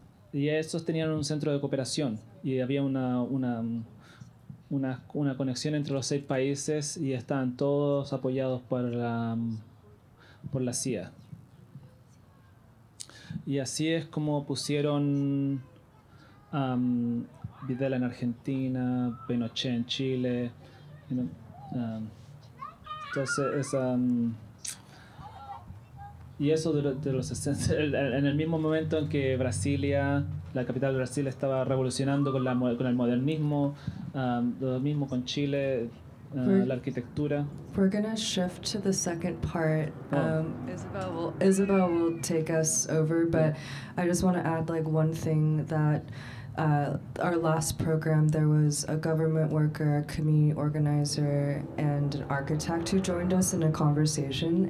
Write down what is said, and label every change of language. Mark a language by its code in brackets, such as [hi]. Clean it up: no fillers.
[es] Y esos tenían un centro de cooperación y había una conexión entre los 6 países y estaban todos apoyados por la CIA. Y así es como pusieron [en] Videla in Argentina, Pinochet in Chile, you know. [es] Entonces es y eso de los 60, en el mismo momento en que Brasilia, la capital de Brasil, estaba revolucionando con el modernismo, lo mismo con Chile, la arquitectura. [en] We're gonna shift to the second part. Isabel will take us over, but I just want to add like one thing that our last program, there was a government worker, a community organizer, and an architect who joined us in a conversation.